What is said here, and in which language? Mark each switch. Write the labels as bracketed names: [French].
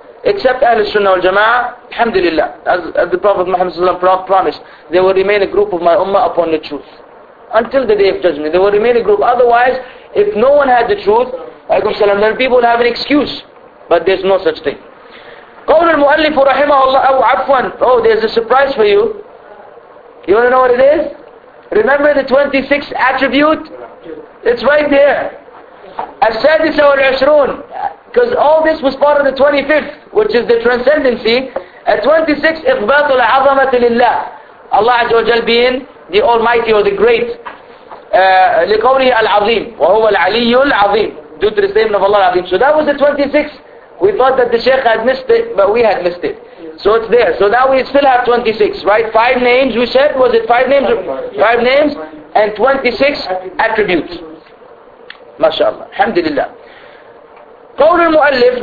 [English] Except Ahl Sunnah wal Jama'ah, Alhamdulillah, as the Prophet Muhammad sallallahu alaihi wasallam promised, they will remain a group of my ummah upon the truth. Until the Day of Judgment, they will remain a group. Otherwise, if no one had the truth, then people would have an excuse. But there's no such thing. [Arabic] قول المؤلف رحمه الله أو عفوا. [English] Oh, there's a surprise for you. You want to know what it is? Remember the 26th attribute? It's right there. [Arabic] السادس والعشرون. [English] Because all this was part of the 25th, which is the transcendency. At 26, [Arabic] إغباط العظمة لله. [English] Allah عز وجل being the Almighty or the Great. [Arabic] لقوله العظيم. وهو العلي العظيم. [English] Due to the statement of Allah العظيم. So that was the 26th. We thought that the Shaykh had missed it, but we had missed it. So it's there. So now we still have 26, right? Five names, we said. Was it five names? Five names and 26 attributes. MashaAllah. Alhamdulillah. Qawl al-Mu'allif.